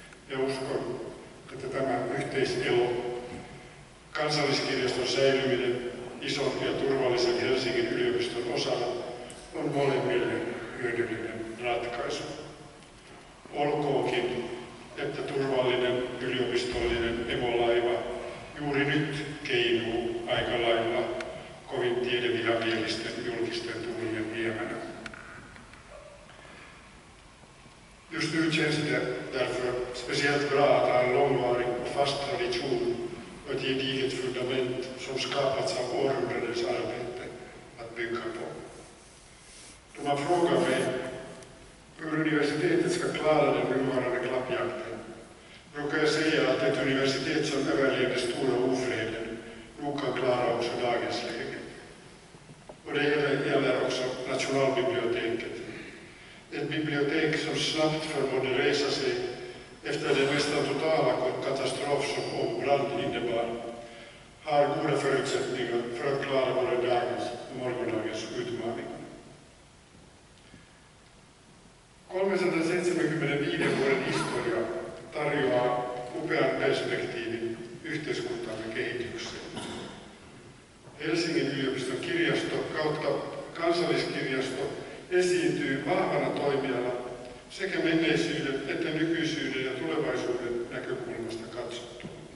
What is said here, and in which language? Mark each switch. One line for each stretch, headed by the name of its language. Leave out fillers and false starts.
Finnish: Ja uskon, että tämä yhteiselo, kansalliskirjaston säilyminen ison ja turvallisen Helsingin yliopiston osana on molemmille hyödyllinen ratkaisu. Olkoonkin, että turvallinen yliopistollinen emolaiva juuri nyt keinuu aika lailla kovin tiedevihamielisten julkisten tuulien viemänä.
Swedish: Just nu känns det därför speciellt bra att ha en långvarig och fast tradition och ett gediget fundament som skapats av århundradens arbete att bygga på. Då man frågar mig hur universitetet ska klara den nuvarande klappjakten, brukar jag säga att ett universitet som överlevde stora ofreden nog kan klara också dagens läge. Och det gäller också Nationalbiblioteket. Ett bibliotek som snabbt förmådde resa sig efter den nästan totala katastrof som brand innebar har goda förutsättningar för att klara både dagens och morgondagens utmaning.
Finnish: 375 vuoden historia tarjoaa upean perspektiivin yhteiskuntamme kehitykseen. Helsingin yliopiston kirjasto kautta kansalliskirjasto esiintyy vahvana toimijana sekä menneisyyden että nykyisyyden ja tulevaisuuden näkökulmasta katsottuna.